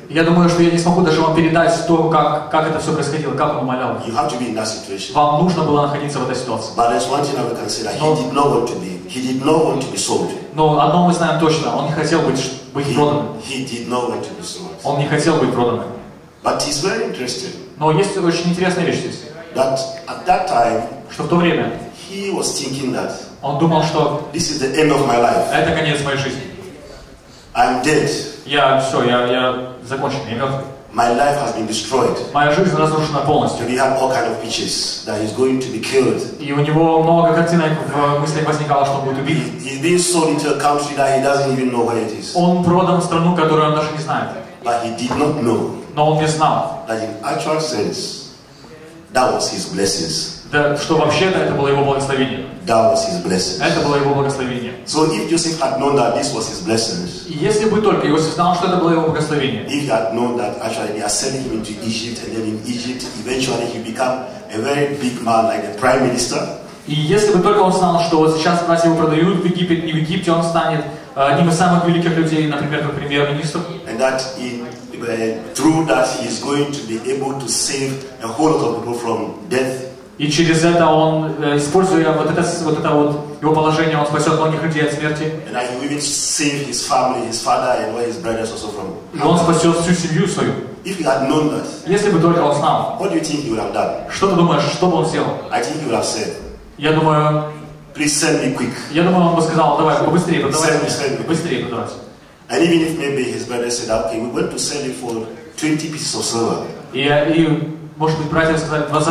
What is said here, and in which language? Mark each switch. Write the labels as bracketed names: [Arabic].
[Russian] Я думаю, что я не смогу даже вам передать то, как это все происходило, как он умолял. [English] You have to be in that situation. [Russian] Вам нужно было находиться в этой ситуации. [English] But there's one thing I can say that he did not want to be sold. [Russian] Но одно мы знаем точно, он не хотел быть проданным. [English] He did not want to be sold. [Russian] Он не хотел быть проданным. [English] But it's very interesting. [Russian] Но есть очень интересная вещь здесь. [English] That at that time, [Russian] что в то время, [English] he was thinking that, [Russian] он думал, что [English] this is the end of my life. [Russian] Это конец моей жизни. [English] I'm dead. [Russian] Я все, я закончен, я мертв. [English] My life has been destroyed. [Russian] Моя жизнь разрушена полностью. [English] And he had all kind of pictures that he's going to be killed. [Russian] И у него много картинок в мыслях возникало, что он будет убит. [English] He's being sold into a country that he doesn't even know where it is. [Russian] Он продан в страну, которую он даже не знает. [English] But he did not know. [Russian] Но он не знал. [English] That in actual sense. That was his blessings. [Russian] Да, что вообще-то это было его благословение. [English] That was his blessings. [Russian] Это было его благословение. [English] So if Joseph had known that this was his blessings. [Russian] Если бы только Иосиф знал, что это было его благословение. [English] If he had known that actually they are sending him into Egypt and then in Egypt eventually he become a very big man like the prime minister. [Russian] И если бы только он знал, что вот сейчас нас его продают в Египет, не в Египте, он станет одним из самых великих людей, например, как премьер-министр. [English] And that through that he is going to be able to save a whole lot of people from death. [Russian] И через это он, используя вот это его положение, он спасет многих людей от смерти. [English] And he will save his family, his father, and all his brothers also from. [Russian] И он спасет всю семью свою. [English] If he had known that. [Russian] Если бы только он знал. [English] What do you think he would have done? [Russian] Что ты думаешь, что бы он сделал? [English] I think he would have said. [Russian] Я думаю. [English] Please send me quick. [Russian] Я думаю, он бы сказал, давай побыстрее, быстрее подавай. [English] And even if maybe his brother said, okay, we want to sell you for 20 pieces of silver. [Russian] И может быть, братья сказали,